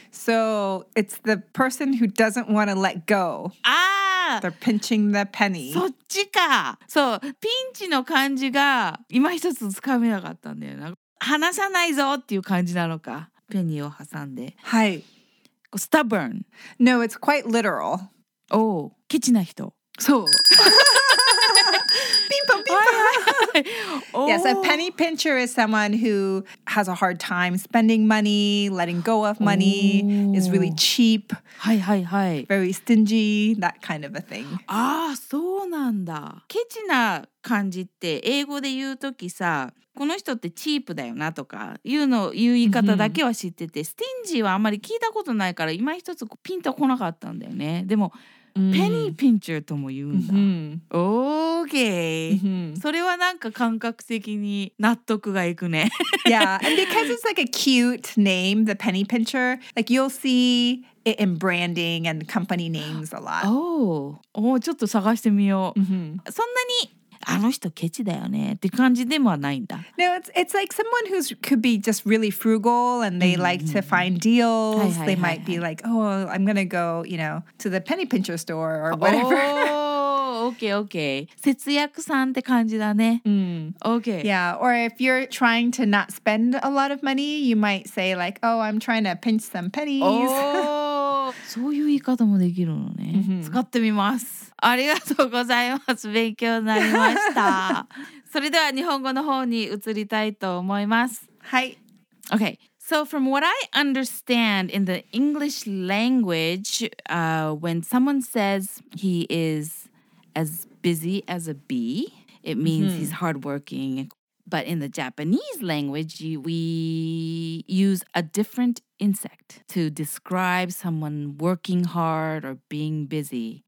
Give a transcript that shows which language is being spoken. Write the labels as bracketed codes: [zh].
[en] So it's the person who doesn't want to let go. Ah! They're pinching the penny. [ja] そっちか。そう、ピンチの感じが今一つつかめなかったんだよな。離さないぞっていう感じなのか。ペニーを挟んで、はい、 [en] stubborn。 No, it's quite literal. [ja] Oh, ケチな人。そう。ピンポンピンポン。 [en] Yes, a penny pincher is someone who has a hard time spending money, letting go of money, is really cheap. [ja] はいはいはい。 [en] Very stingy, that kind of a thing. [ja] ああ、そうなんだ。ケチな感じって英語で言うときさ、この人ってチープだよなとかいうの言う言い方だけは知ってて、stingy はあんまり聞いたことないから今一つピンと来なかったんだよね。でも、ペニーピンチャーとも言うんだ。オーケー。それはなんか感覚的に納得がいくね。 [en] Yeah, and because it's like a cute name, the penny pincher, like you'll see it in branding and company names a lot. [ja] Oh, oh, ちょっと探してみよう。そんなにあの人ケチだよねって感じでもないんだ。 [en] No, it's like someone who could be just really frugal and they like to find deals. They might be like, oh, I'm gonna go, you know, to the penny pincher store or whatever. Oh, okay, okay. [ja] 節約さんって感じだね。 [en] Okay. Yeah, or if you're trying to not spend a lot of money, you might say like, oh, I'm trying to pinch some pennies. [ja] Oh, そういう言い方もできるのね。使ってみます。ありがとうございます。勉強になりました。それでは日本語の方に移りたいと思います。はい。 [en] Okay. So from what I understand in the English language, when someone says he is as busy as a bee, it means he's hardworking. But in the Japanese language, we use a different insect to describe someone working hard or being busy.